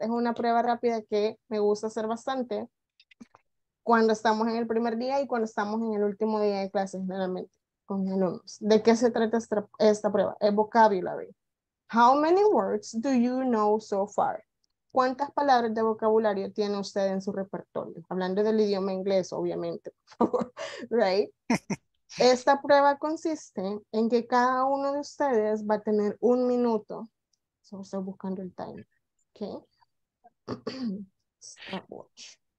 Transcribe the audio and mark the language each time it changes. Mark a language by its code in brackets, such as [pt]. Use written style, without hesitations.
[es] Es una prueba rápida que me gusta hacer bastante cuando estamos en el primer día y cuando estamos en el último día de clases generalmente con mis alumnos. ¿De qué se trata esta prueba? El vocabulary. [en] How many words do you know so far? [es] ¿Cuántas palabras de vocabulario tiene usted en su repertorio? Hablando del idioma inglés, obviamente. Right? Esta prueba consiste en que cada uno de ustedes va a tener un minuto. So, estoy buscando el time. Ok. Stopwatch.